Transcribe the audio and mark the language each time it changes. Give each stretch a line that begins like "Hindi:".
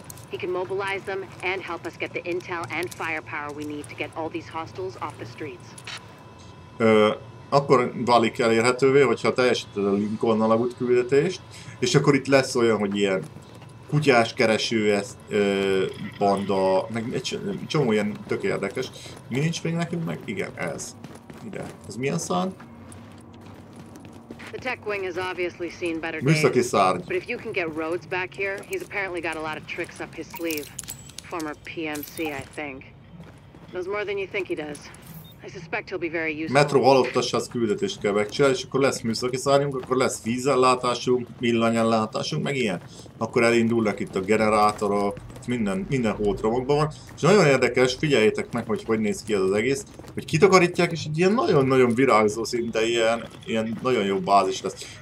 English: He can mobilize them and help us get the intel and firepower we need to get all these hostiles off the streets.
Hungarian: Akkor válik elérhetővé, hogyha teljesíted a Lincoln alagút küldetést, és akkor itt lesz olyan, hogy ilyen kutyás kereső banda, meg egy csomó ilyen tök érdekes. Mi nincs még nekünk meg? Igen, ez. Ide. Ez milyen szán?
English: The tech wing has obviously seen better days. But if you can get Rhodes back here, he's apparently got a lot of tricks up his sleeve. Former PMC, I think. Knows more than you think he does. I suspect he'll be very useful.
Hungarian: Metro halottasház küldetést kell megcsinálni, és akkor lesz műszaki szárnyunk, akkor lesz vízellátásunk, villanyellátásunk, meg ilyen. Akkor elindulnak itt a generátorok, minden hódromokban van. És nagyon érdekes, figyeljétek meg, hogy néz ki ez az egész, hogy kitakarítják, és egy ilyen nagyon-nagyon virágzó szinte ilyen nagyon jó bázis lesz.